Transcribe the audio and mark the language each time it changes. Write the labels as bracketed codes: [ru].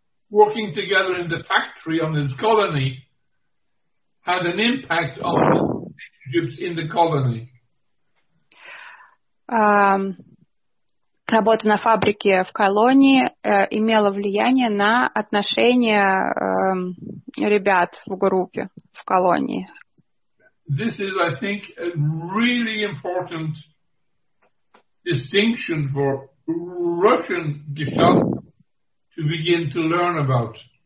[en] Working together in the factory on his colony had an impact on relationships in the colony. [ru] Работа на фабрике в колонии имела влияние на отношения ребят в группе в колонии. [en] This is, I think, a really important distinction for Russian Geschaut to begin to learn about.